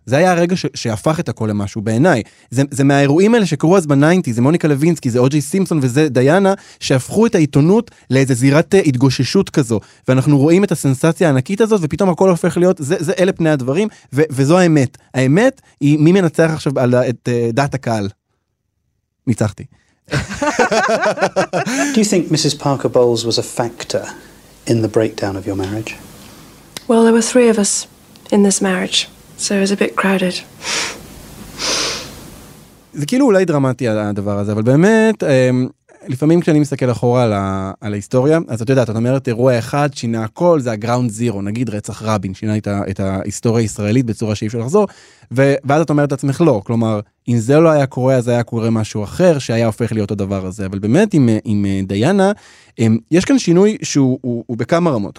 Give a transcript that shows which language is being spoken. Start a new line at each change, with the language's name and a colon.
Hebrew: זה היה הרגע שהפך את הכל למשהו בעיניי. זה מהאירועים האלה שקרו אז ב-90, זה מוניקה לוינסקי, זה אוג'י סימפסון וזה דיאנה, שהפכו את העיתונות לאיזה זירת התגוששות כזו. ואנחנו רואים את הסנסציה הענקית הזאת, ופתאום הכל הופך להיות, זה אלה פני הדברים, וזו האמת. האמת היא מי מנצח עכשיו על את דעת הקהל. ניצחתי.
English: Do you think Mrs. Parker Bowles was a factor in the breakdown of your marriage? Well, there were three of us. in this marriage so it was a bit crowded
Hebrew: זה כאילו אולי דרמטי הדבר הזה אבל באמת לפעמים כשאני מסתכל אחורה על, על ההיסטוריה, אז את יודעת, את אומרת, אירוע אחד שינה הכל, זה הגראונד זירו, נגיד רצח רבין, שינה את, את ההיסטוריה הישראלית בצורה שאי אפשר לחזור, ואז את אומרת את עצמך לא, כלומר, אם זה לא היה קורה, אז היה קורה משהו אחר, שהיה הופך להיות הדבר הזה, אבל באמת עם, עם דיינה, יש כאן שינוי שהוא הוא, הוא בכמה רמות.